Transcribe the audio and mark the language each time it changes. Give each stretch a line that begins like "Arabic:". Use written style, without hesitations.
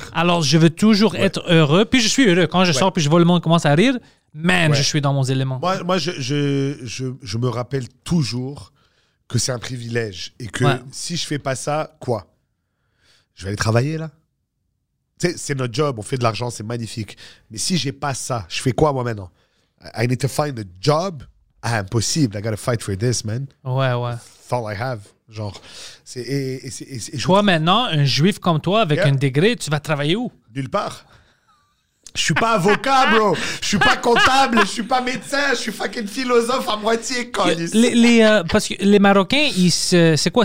French: Alors, je veux toujours être heureux. Puis je suis heureux. Quand je sors, puis je vois le monde commence à rire, man, je suis dans mon élément. Moi je me rappelle toujours que c'est un privilège et que si je fais pas ça, quoi? Je vais aller travailler, là? C'est notre job, on fait de l'argent, c'est magnifique. Mais si j'ai pas ça, je fais quoi, moi, maintenant?
English: I need to find a job? Ah, impossible, I gotta fight for this, man.
French: Ouais, ouais.
English: That's all I have, genre. Et
French: toi, maintenant, un juif comme toi, avec un degré, tu vas travailler où? Nulle part. Je suis pas avocat, bro. Je suis pas comptable, je suis pas médecin, je suis fucking philosophe à moitié, con. Parce que les Marocains, c'est quoi?